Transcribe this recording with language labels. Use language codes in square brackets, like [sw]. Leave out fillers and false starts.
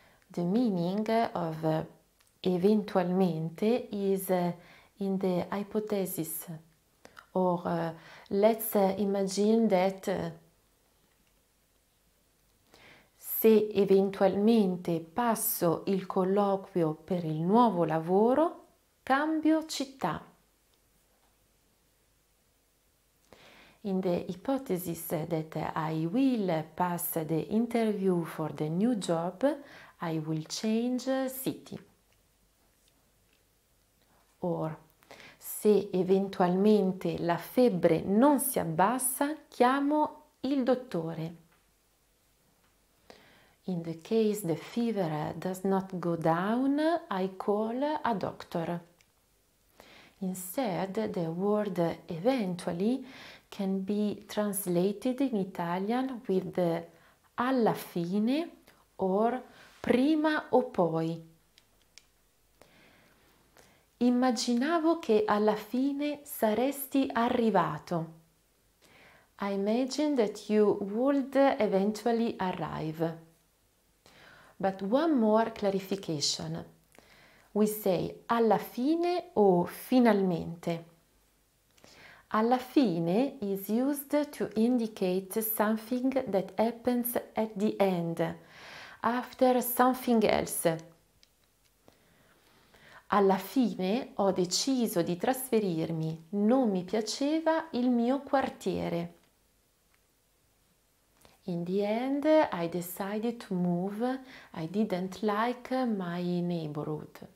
[en] The meaning of eventualmente is in the hypothesis, or let's imagine that [it] se eventualmente passo il colloquio per il nuovo lavoro, cambio città. [en] In the hypothesis that I will pass the interview for the new job, I will change city. [it] Or, se eventualmente la febbre non si abbassa, chiamo il dottore. [en] In the case the fever does not go down, I call a doctor. Instead, the word eventually can be translated in Italian with alla fine or prima o poi. [it] Immaginavo che alla fine saresti arrivato. [en] I imagined that you would eventually arrive. But one more clarification. We say alla fine o finalmente. Alla fine is used to indicate something that happens at the end, after something else. [it] Alla fine ho deciso di trasferirmi, non mi piaceva il mio quartiere. [en] In the end, I decided to move, I didn't like my neighborhood.